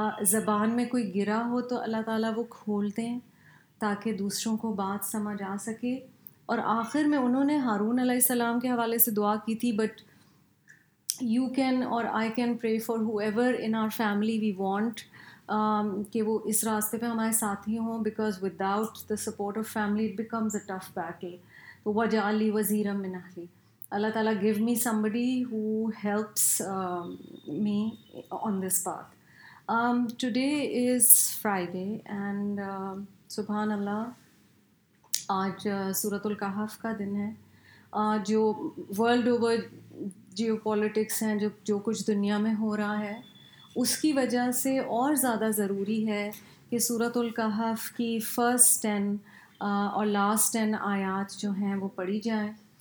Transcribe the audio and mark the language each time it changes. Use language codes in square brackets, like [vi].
[ur] زبان میں کوئی گرا ہو تو اللہ تعالیٰ وہ کھول دیں تاکہ دوسروں کو بات سمجھ آ سکے. [en] اور آخر میں انہوں نے ہارون علیہ السلام کے حوالے سے دعا کی تھی, but you can or I can pray for whoever in our family we want, [ur] کہ وہ اس راستے پہ ہمارے ساتھی ہوں, [en] because without the support of family it becomes a tough battle. تو [ar] وجعل لی وزیرا من اہلی, [en] اللہ تعالیٰ give me somebody who helps me on this path. Today is Friday and [ur] سبحان اللہ آج سورۃ الکہف کا دن ہے. جو ورلڈ اوور جیو پولیٹکس ہیں, جو کچھ دنیا میں ہو رہا ہے اس کی وجہ سے اور زیادہ ضروری ہے کہ سورۃ الکہف کی فرسٹ 10 اور لاسٹ 10 آیات جو ہیں وہ پڑھی جائیں.